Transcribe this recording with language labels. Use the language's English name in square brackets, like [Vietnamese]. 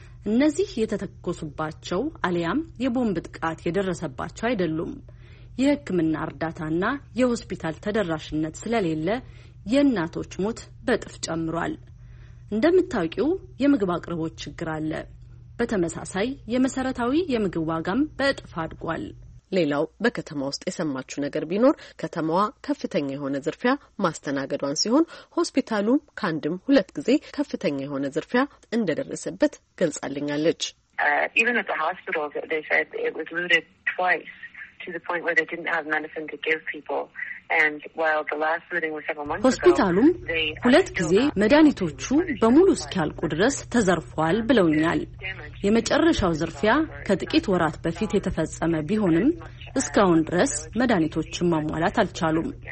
[Amharic] እነዚህ የተተኮሱባቸው አሊያም የቦምብ ጥቃት የደረሰባቸው አይደሉም። የህክምና እርዳታና የሆስፒታል ተደራሽነት ስለሌለ የእናቶች ሞት በጥፍ ጨምሯል። እንደምታውቂው የምግብ አቅርቦት ችግር አለ። በተመሳሳይ የመሰረታዊ የምግብ ዋጋም በጥፍ አድጓል። ሌላው በከተማ ውስጥ የሰማችሁ ነገር ቢኖር ከተማዋ ከፍተኛ የሆነ ዝርፊያ ማስተናገዷን ሲሆን ሆስፒታሉም ከአንድም ሁለት ጊዜ ከፍተኛ የሆነ ዝርፊያ እንደደረሰበት ገልጻልኛለች። [English] Even at the hospital they said it was looted twice [Amharic] ሆስፒታሉም ሁለት ጊዜ መድኃኒቶቹ በሙሉ እስኪያልቁ ድረስ ተዘርፏል ብለውኛል። የመጨረሻው ዝርፊያ ከጥቂት ወራት በፊት የተፈጸመ ቢሆንም እስካሁን ድረስ መድኃኒቶቹን ማሟላት አልቻሉም።